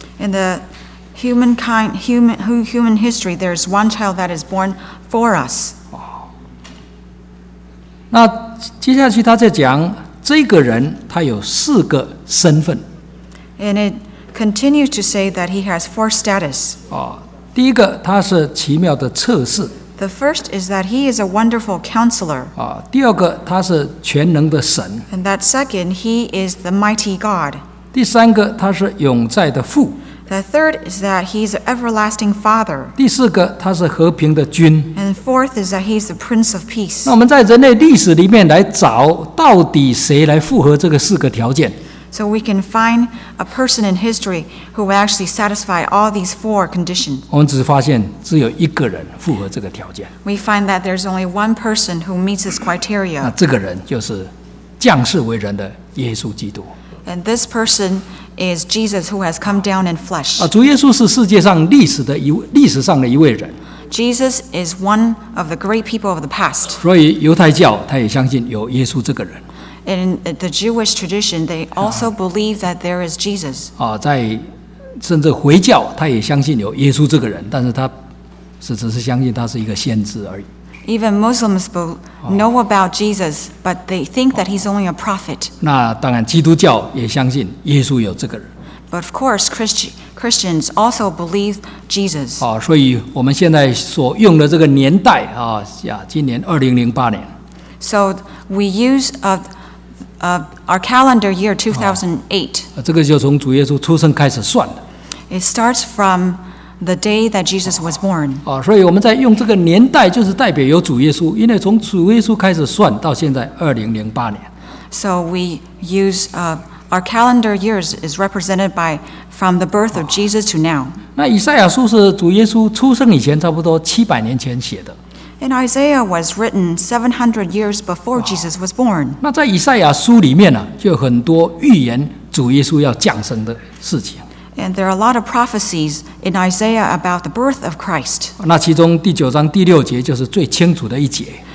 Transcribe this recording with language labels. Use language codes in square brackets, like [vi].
[en] In the human history, there's one child that is born for us. [zh] 那接下去他在讲这个人他有四个身份。 [en] And it continues to say that he has four status. [zh] 第一个他是奇妙的策士。 [en] The first is that he is a wonderful counselor. [zh] 第二个他是全能的神。 [en] And that second, he is the mighty God. [zh] 第三个他是永在的父。 [en] The third is that he is an everlasting father. [zh] 第四个他是和平的君。 [en] And fourth is that he is the prince of peace. [zh] 那我们在人类历史里面来找到底谁来符合这个四个条件。 [en] So we can find a person in history who will actually satisfy all these four conditions. [zh] 我们只发现只有一个人符合这个条件。 [en] We find that there's only one person who meets this criteria. [zh] 那这个人就是降世为人的耶稣基督。 [en] And this personIs Jesus who has come down in flesh. [zh] 主耶稣是世界上历史上的一位人。 [en] Jesus is one of the great people of the past. [zh] 所以犹太教他也相信有耶稣这个人。 [en] In the Jewish tradition, they also believe that there is Jesus. [zh] 在甚至回教他也相信有耶稣这个人，但是他只是相信他是一个先知而已。 [en] Even Muslims know about Jesus, but they think that he's only a prophet. [zh] 那当然，基督教也相信耶稣有这个人。 [en] But of course, Christians also believe Jesus. [zh] 所以我们现在所用的这个年代今年2008年。 [en] So we use our calendar year 2008. [zh] 这个就从主耶稣出生开始算的。 [en] It starts from the day that Jesus was born. [zh] 所以我们在用这个年代就是代表有主耶稣，因为从主耶稣开始算到现在2008年。 [en] So we use our calendar years is represented by from the birth of Jesus to now. [zh] 那以赛亚书是主耶稣出生以前差不多700年前写的。 [en] And Isaiah was written 700 years before Jesus was born. [zh] 那在以赛亚书里面呢，就有很多预言主耶稣要降生的事情。 [en] And there are a lot of prophecies in Isaiah about the birth of Christ. [zh] 那其中第九章第六节就是最清楚的一节。